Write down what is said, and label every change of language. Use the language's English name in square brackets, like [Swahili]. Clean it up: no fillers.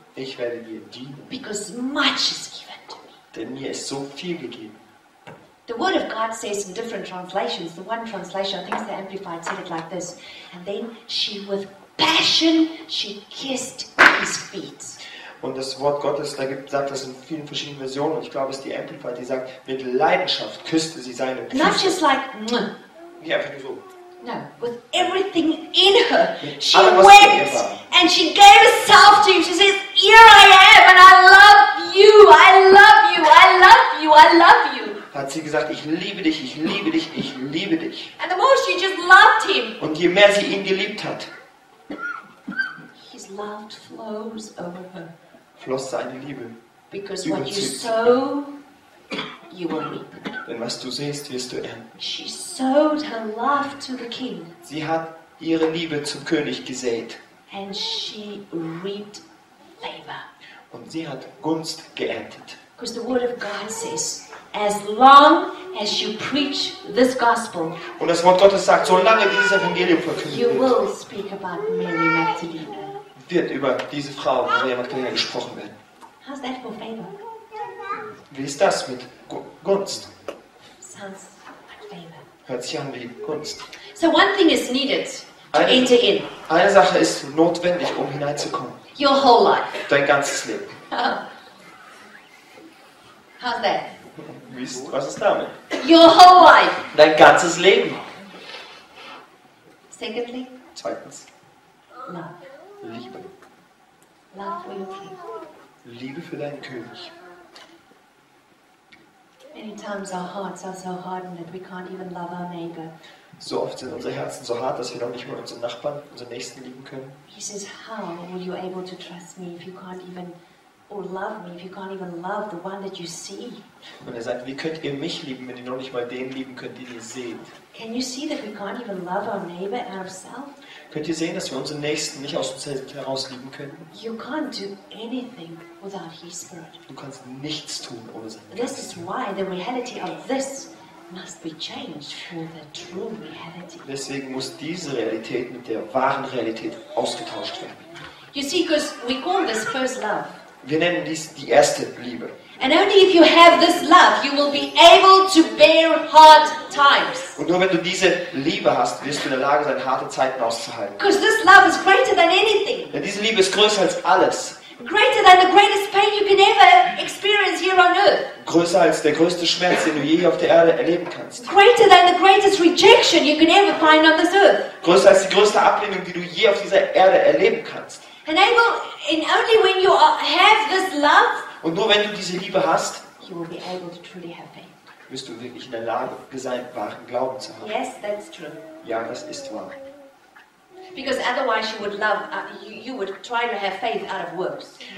[German] Ich werde dir dienen. [English] Because much is given to me. [German] Denn mir ist so viel gegeben. [English] The word of God says in different translations. The one translation, I think it's the Amplified, said it like this. And then she, with passion, she kissed his feet. [German] Und das Wort Gottes, da gibt, sagt das in vielen verschiedenen Versionen. Und ich glaube, es ist die Amplified, die sagt, mit Leidenschaft küsste sie seine Füße. [English] Not just like, [German] nicht einfach nur so. [English] No, with everything in her, she wept and she gave herself to him. She says, here I am and I love you, I love you, I love you, I love you. [German] Hat sie gesagt, ich liebe dich, ich liebe dich, ich liebe dich. [English] And the more she just loved him. [German] Und je mehr sie ihn geliebt hat, [English] his love flows over her. [German] Floss seine Liebe. [English] Because what you sow, you will reap. [German] Denn was du siehst, wirst du ernten. [English] She sowed her love to the king. [German] Sie hat ihre Liebe zum König gesät. [English] And she reaped favor. [German] Und sie hat Gunst geerntet. [English] Because the word of God says, as long as you preach this gospel, [German] und das Wort Gottes sagt, solange dieses Evangelium verkündet [English] you will speak about Mary Magdalene. [German] Wird über diese Frau Maria Magdalena gesprochen werden. [English] How's that for favor? [German] Wie ist das mit Gunst? [English] Sounds like favor. [German] Hört sich an wie Gunst. [English] So one thing is needed to enter in. [German] Eine Sache ist notwendig, um hineinzukommen. [English] Your whole life. [German] Dein ganzes Leben. [English] How's that? [German] Was ist damit? [English] Your whole life. [German] Dein ganzes Leben. [English] Secondly. [German] Zweitens. [English] Love. [German] Liebe. [English] Love for your king. [German] Liebe für deinen König. [English] Many times our hearts are so hardened that we can't even love our neighbor. [German] So oft sind unsere Herzen so hart, dass wir noch nicht mal unseren Nachbarn, unseren Nächsten lieben können. [English] He says, how will you able to trust me if you can't even or love me if you can't even love the one that you see? [German] Und er sagt, wie könnt ihr mich lieben, wenn ihr noch nicht mal den lieben könnt, den ihr seht? [English] Can you see that we can't even love our neighbor and ourselves? [German] Könnt ihr sehen, dass wir unseren Nächsten nicht aus uns selbst heraus lieben können? [English] You can't do anything without His Spirit. [German] Du kannst nichts tun ohne seinen Geist. [English] This is why the reality of this must be changed for the true reality. [German] Deswegen muss diese Realität mit der wahren Realität ausgetauscht werden. [English] You see, because we call this first love. [German] Wir nennen dies die erste Liebe. [English] And only if you have this love, you will be able to bear hard times. [German] Und nur wenn du diese Liebe hast, wirst du in der Lage sein, harte Zeiten auszuhalten. [English] Because this love is greater than anything. [German] Denn diese Liebe ist größer als alles. [English] Greater than the greatest pain you can ever experience here on earth. [German] Größer als der größte Schmerz, den du je auf der Erde erleben kannst. [English] Greater than the greatest rejection you can ever find on this earth. [German] Größer als die größte Ablehnung, die du je auf dieser Erde erleben kannst. [English] And only when you have this love, [German] und nur wenn du diese Liebe hast, [English] you will be able to truly have faith. [German] Wirst du wirklich in der Lage sein, wahren Glauben zu haben. [English] Yes, that's true. [German] Ja, das ist wahr. [English] Because otherwise you would love, you would try to have faith out of works.